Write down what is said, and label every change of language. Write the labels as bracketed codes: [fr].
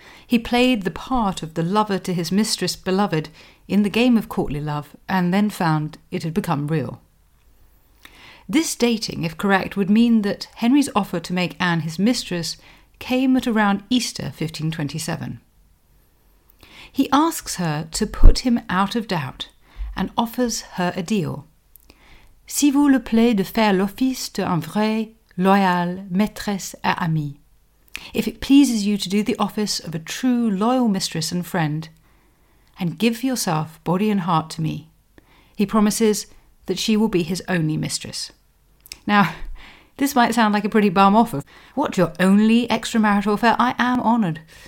[en] He played the part of the lover to his mistress beloved in the game of courtly love and then found it had become real. This dating, if correct, would mean that Henry's offer to make Anne his mistress came at around Easter 1527. He asks her to put him out of doubt and offers her a deal. [fr] Si vous le plaît de faire l'office d'un vrai, loyal, maîtresse et ami. [en] If it pleases you to do the office of a true, loyal mistress and friend, and give yourself body and heart to me, he promises that she will be his only mistress. Now, this might sound like a pretty bum offer. What, your only extramarital affair? I am honoured.